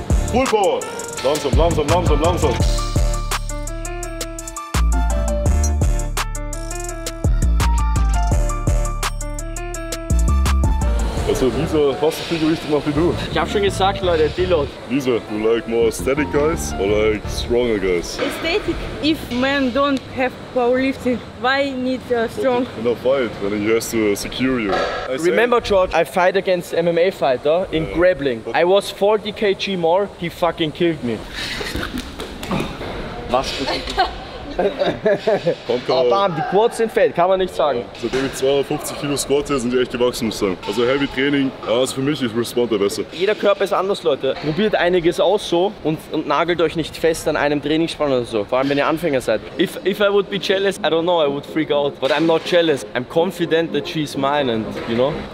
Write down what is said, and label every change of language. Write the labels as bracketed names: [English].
[English] Full Power! [German] Langsam. Also Lisa, fast so viel Gewicht gemacht wie du. Ich hab schon gesagt, Leute, Dillot. [English] Lisa, you like more static guys or like stronger guys? Aesthetic. If men don't have powerlifting, why need strong? In a fight, when he has to secure you. Remember, George, I fight against MMA fighter in grappling. I was 40 kg more, he fucking killed me. [German] Was? Bam, die Quads sind fett, kann man nicht sagen. Ja, seitdem ich 250 Kilo squatte, sind die echt gewachsen, muss ich sagen. Also Heavy Training, ja, also für mich, ich responde besser. Jeder Körper ist anders, Leute. Probiert einiges aus so und nagelt euch nicht fest an einem Trainingsplan oder so. Vor allem, wenn ihr Anfänger seid. [English] If I would be jealous, I don't know, I would freak out. But I'm not jealous. I'm confident that she's mine and, you know.